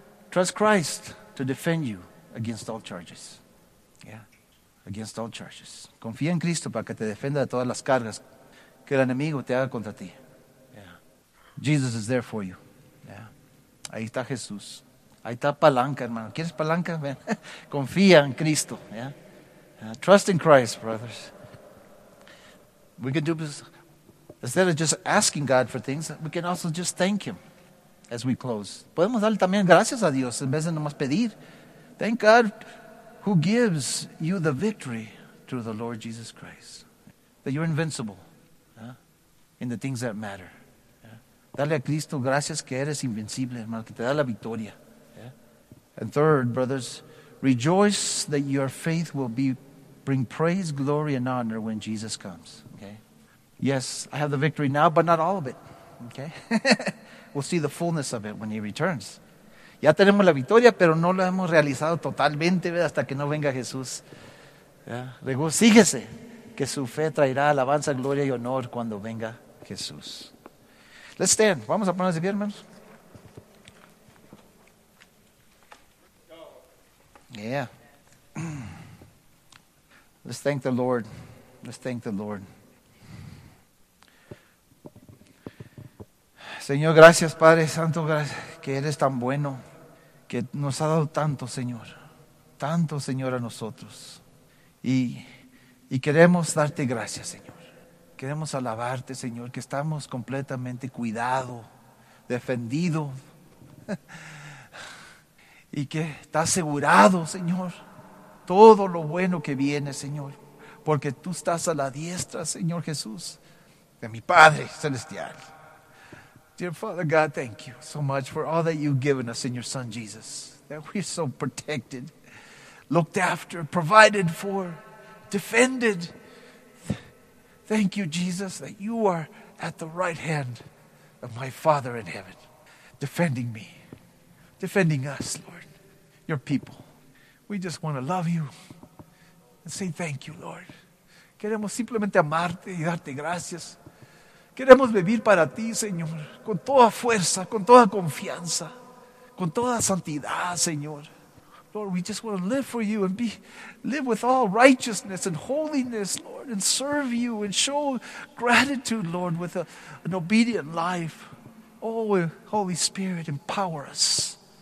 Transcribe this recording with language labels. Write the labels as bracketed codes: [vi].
[en] Trust Christ to defend you against all charges. Yeah. Against all charges. [es] Confía en Cristo para que te defienda de todas las cargas que el enemigo te haga contra ti. [en] Yeah. Jesus is there for you. [es] Ahí está Jesús. Ahí está palanca, hermano. ¿Quieres palanca? Ven. Confía en Cristo. Yeah? [en] Trust in Christ, brothers. We can do this. Instead of just asking God for things, we can also just thank Him as we close. [es] Podemos darle también gracias a Dios en vez de nomás pedir. [en] Thank God who gives you the victory through the Lord Jesus Christ. That you're invincible in the things that matter. [es] Dale a Cristo gracias que eres invencible, hermano, que te da la victoria. Yeah. [en] And third, brothers, rejoice that your faith will bring praise, glory, and honor when Jesus comes. Okay. Yes, I have the victory now, but not all of it. Okay. We'll see the fullness of it when He returns. [es] Ya tenemos la victoria, pero no la hemos realizado totalmente, ¿verdad? Hasta que no venga Jesús. Yeah. Regocíjese que su fe traerá alabanza, gloria y honor cuando venga Jesús. [en] Let's stand. [es] Vamos a ponernos de pie, hermanos. Yeah. [en] Let's thank the Lord. Let's thank the Lord. [es] Señor, gracias, Padre Santo, gracias, que eres tan bueno, que nos ha dado tanto, Señor, a nosotros. Y queremos darte gracias, Señor. Queremos alabarte, Señor, que estamos completamente cuidado, defendido. Y que está asegurado, Señor, todo lo bueno que viene, Señor. Porque Tú estás a la diestra, Señor Jesús, de mi Padre Celestial. [en] Dear Father God, thank You so much for all that You've given us in Your Son Jesus. That we're so protected, looked after, provided for, defended. Thank You, Jesus, that You are at the right hand of my Father in heaven, defending me, defending us, Lord, Your people. We just want to love You and say thank You, Lord. [es] Queremos simplemente amarte y darte gracias. Queremos vivir para Ti, Señor, con toda fuerza, con toda confianza, con toda santidad, Señor. [en] Lord, we just want to live for You and live with all righteousness and holiness, Lord, and serve You and show gratitude, Lord, with an obedient life. Oh, Holy Spirit, empower us